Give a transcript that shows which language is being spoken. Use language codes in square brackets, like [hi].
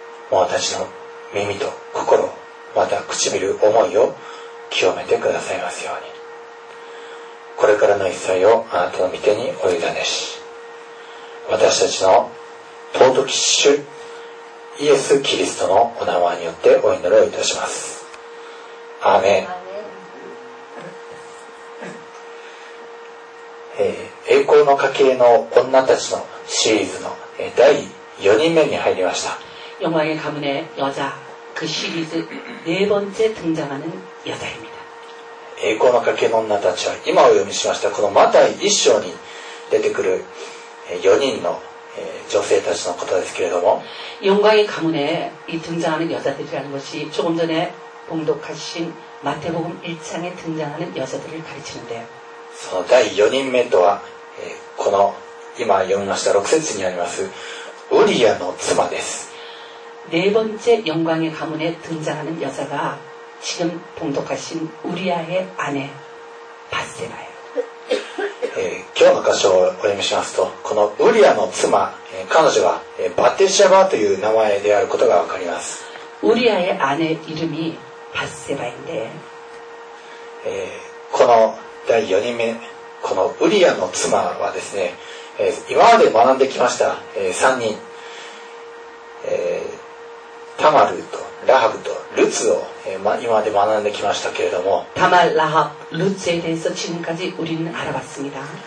[ja] 者たちの耳と心、また唇、思いを清めてくださいますように、これからの一切をあなたの御手にお委ねし、私たちの尊き主イエス・キリストのお名前によってお祈りをいたします。アーメン。栄光の家系の女たちのシリーズの第4人目に入りました。 [ko] 영광의가문의여자그시리즈네번째등장하는여자입니다 [ja] 栄光の家系の女たちは今お読みしましたこのマタイ1章に出てくる4人の女性たちのことですけれども、 [ko] 영광의가문에이등장하는여자들이라는것이조금전에봉독하신마태복음1장에등장하는여자들을가리치는데요 [ja] その第4人目とは、この今読みました6節にありますウリアの妻です。 [ko] 네번째영광의가문에등장하는여자가지금봉독하신우리아의아내바세바예요 [ja] 今日の箇所をお読みしますと、このウリアの妻、彼女はバテシャバという名前であることがわかります。 [ko] 우리아의아내이름이바세바인데 [ja] この第4人目、このウリアの妻はですね、今まで学んできました、3人、タマルとラハブとルツを、今まで学んできましたけれども、 [ko] タマル、ラハブ、ルツに대해서지금까지우리는알아봤습니다。